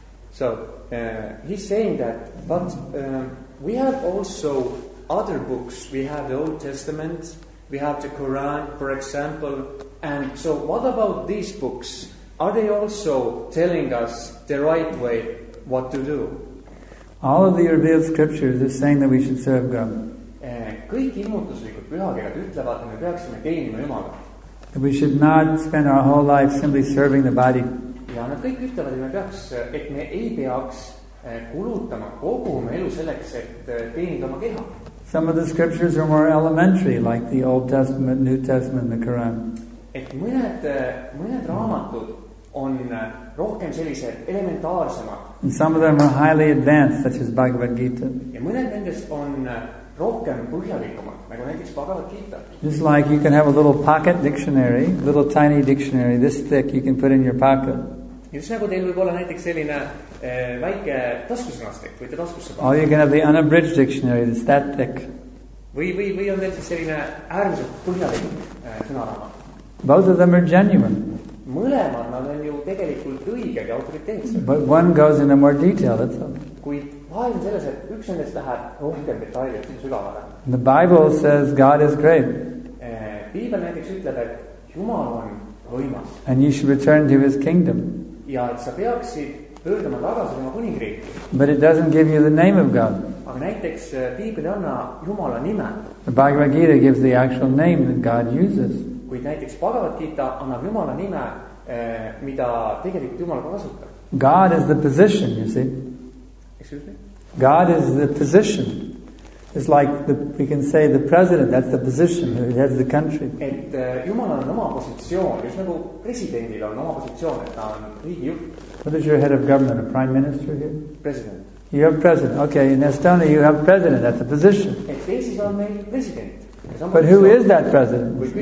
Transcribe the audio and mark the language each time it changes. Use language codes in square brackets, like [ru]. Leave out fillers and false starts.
[en] So he's saying that, but we have also other books. We have the Old Testament, we have the Quran, for example. And so what about these books? Are they also telling us the right way what to do? All of the revealed scriptures is saying that we should serve God. [et] Kõik ilmutuslikud pühakirjad ütlevad, et me peaksime teenima Jumala. [en] We should not spend our whole life simply serving the body. [et] Ja nad kõik ütlevad, et me ei peaks kulutama kogu oma elu selleks, et teenida oma keha. [en] Some of the scriptures are more elementary, like the Old Testament, New Testament, the Quran. [et] Et mõned raamatud on rohkem sellised elementaarsemad. [en] And some of them are highly advanced, such as Bhagavad Gita. [et] Ja mõned nendest on rohkem põhjalikumad, nagu näiteks Bhagavad Gita. [en] Just like you can have a little pocket dictionary, little tiny dictionary, this thick you can put in your pocket. [et] Just nagu teil võib olla näiteks selline väike taskusõnastik, võite taskusse panna. [en] Or you can have the unabridged dictionary, that's that thick. [et] Või on teil siis selline äärmiselt põhjalik sõnarama. [en] Both of them are genuine. [et] Mõlemad nad on ju tegelikult õiged ja autoriteetsed. [en] But one goes into more detail, that's all. [et] Kuid vahel selles, et üks nendest läheb rohkem detailselt sügavale. [en] The Bible says God is great. [et] Piibel näiteks ütleb, et Jumal on võimas. [en] And you should return to his kingdom. [et] Ja et sa peaksid pöörduma tagasi oma kuningriiki. [en] But it doesn't give you the name of God. [et] Aga näiteks Piibel anna Jumala nime. [en] The Bhagavad Gita gives the actual name that God uses. [et] Kuid näiteks Bhagavad Gita annab Jumala nime, mida tegelikult Jumal kasutab. [en] God is the position, you see. Excuse me? God is the position. It's like we can say the president, that's the position, he has the country. [et] Et Jumala on oma positsioon, just nagu presidentil on oma positsioon, et ta on riigi juht. [en] What is your head of government, a prime minister here? President. You have president, okay, in Estonia you have president, that's the position. [et] Et Eestis on meil president. [en] But who is that president?